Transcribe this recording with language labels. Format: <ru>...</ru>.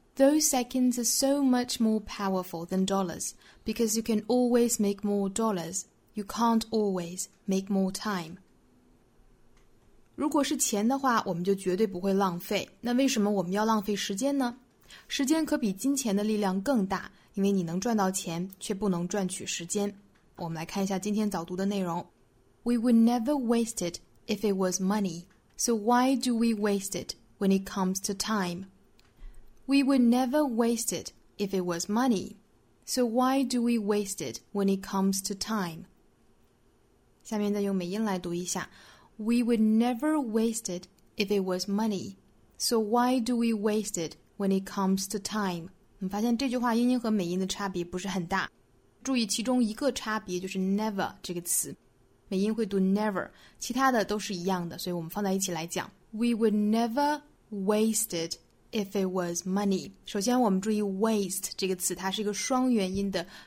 <en>Those seconds are so much more powerful than dollars, because you can always make more dollars. You can't always make more time.</en> <zh>如果是钱的话，我们就绝对不会浪费。那为什么我们要浪费时间呢？时间可比金钱的力量更大，因为你能赚到钱，却不能赚取时间。我们来看一下今天早读的内容。</zh> <en>We would never waste it if it was money. So why do we waste it when it comes to time? We would never waste it if it was money. So why do we waste it when it comes to time?</en> <zh>下面再用美音来读一下。</zh> <en>We would never waste it if it was money. So why do we waste it when it comes to time?</en> <zh>你发现这句话音和美音的差别不是很大。注意其中一个差别就是 never 这个词。美音会读 never, 其他的都是一样的，所以我们放在一起来讲。</zh> <en>We would never waste itIf it was money,</en> <zh>首先我们注意 waste 这个词，它是一个双元音的</zh>